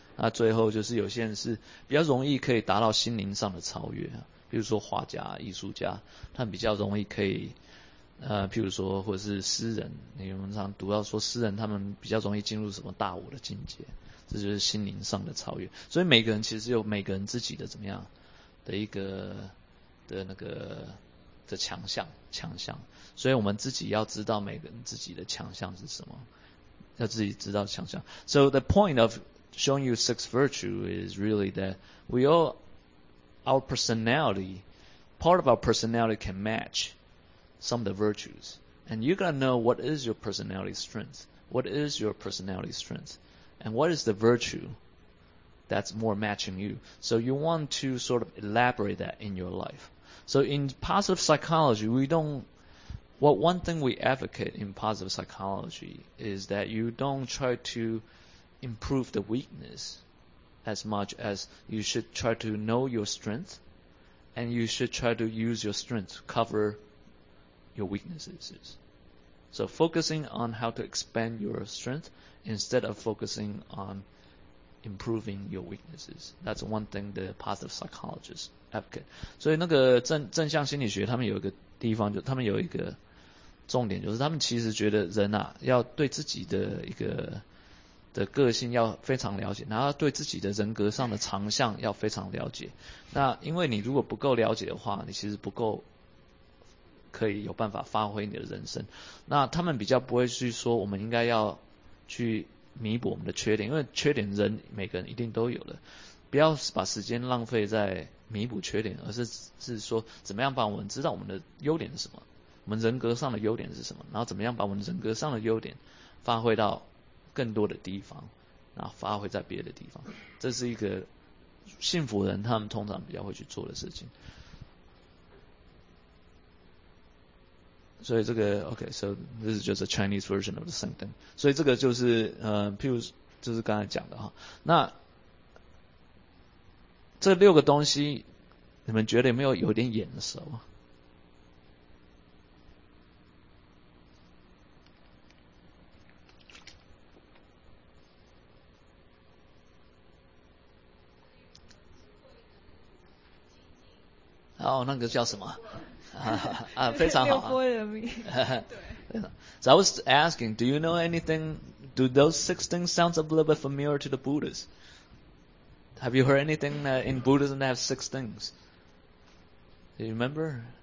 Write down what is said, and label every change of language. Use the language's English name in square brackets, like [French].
[Chinese] 那最后就是有些人是比较容易可以达到心灵上的超越啊，比如说画家、艺术家，他们比较容易可以，譬如说或者是诗人，你们常读到说诗人他们比较容易进入什么大我的境界，这就是心灵上的超越。所以每个人其实有每个人自己的怎么样的一个。的那个的强项，所以我们自己要知道每个人自己的强项是什么，要自己知道强项。 [English] So the point of showing you six virtues is really that we all, our personality, part of our personality can match some of the virtues. And you gotta know what is your personality strength. What is your personality strength? And what is the virtue that's more matching you? So you want to sort of elaborate that in your life. So in positive psychology, one thing we advocate in positive psychology is that you don't try to improve the weakness as much as you should try to know your strength, and you should try to use your strength to cover your weaknesses. So focusing on how to expand your strength instead of focusing on improving your weaknesses. That's one thing the positive psychologist advocate. [Chinese] 所以那个正向心理学，他们有一个地方，就他们有一个重点，就是他们其实觉得人啊，要对自己的一个的个性要非常了解，然后对自己的人格上的长项要非常了解。那因为你如果不够了解的话，你其实不够可以有办法发挥你的人生。那他们比较不会去说我们应该要去弥补我们的缺点，因为缺点人每个人一定都有的，不要把时间浪费在弥补缺点，而是说怎么样把我们知道我们的优点是什么，我们人格上的优点是什么，然后怎么样把我们人格上的优点发挥到更多的地方，然后发挥在别的地方，这是一个幸福人他们通常比较会去做的事情。所以这个 [English] OK, so this is just a Chinese version of the same thing. [Chinese] 所以这个就是譬如就是刚才讲的哈，那这六个东西你们觉得有没有有点眼熟啊？然后那个叫什么啊，非常好、啊、六波罗蜜 [English] So I was asking, do you know anything, do those six things sound a little bit familiar to the Buddhas? Have you heard anything that in Buddhism that have six things? Do you remember?